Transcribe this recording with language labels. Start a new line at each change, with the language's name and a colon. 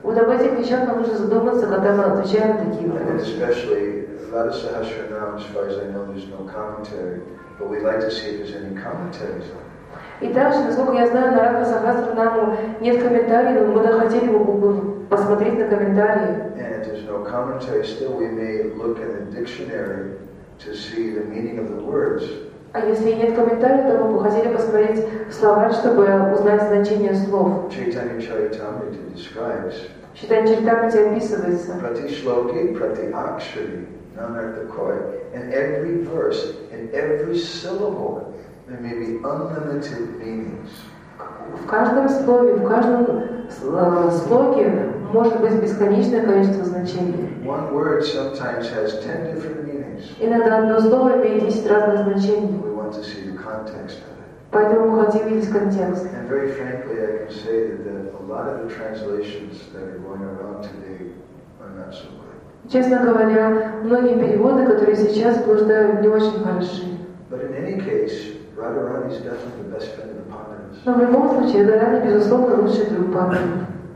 Russian: Вот об этих вещах нам нужно задуматься, когда мы отвечаем такие вопросы.
English: And especially Radha Sahasranam, as far as I know, there's no commentary, but we'd like to see if there's any commentaries on it.
Russian: И также, насколько я знаю, на Радха Сахасранаму нет комментариев, но мы бы хотели бы посмотреть на комментарии.
English: And if there's no commentary, still we may look in the dictionary to see the meaning of the words.
Russian: А если нет комментариев, то мы бы хотели посмотреть слова, чтобы узнать значение слов.
English: Chaitanya Charitamrita describes.
Russian: Chaitanya Charitamrita описывается.
Sanskrit: Prati shloki, prati akshari, nanartha koi.
English: And every verse, and every syllable, there may be unlimited meanings.
Russian: В каждом слове, в каждом слоге может быть бесконечное количество значений.
English: One word sometimes has 10 different meanings.
Russian: Иногда одно слово имеет 10 разных значений.
English: We want to see the context of it.
Russian: Поэтому мы хотим видеть контекст.
English: And very frankly, I can say that a lot of the translations that are going around today are not so good.
Russian: Честно говоря, многие переводы, которые сейчас блуждают, не очень хороши.
English: But in any case, Radharani is definitely the best friend of the Pandavas.
Russian: Но в любом случае, Радхарани безусловно лучший друг Пандавы.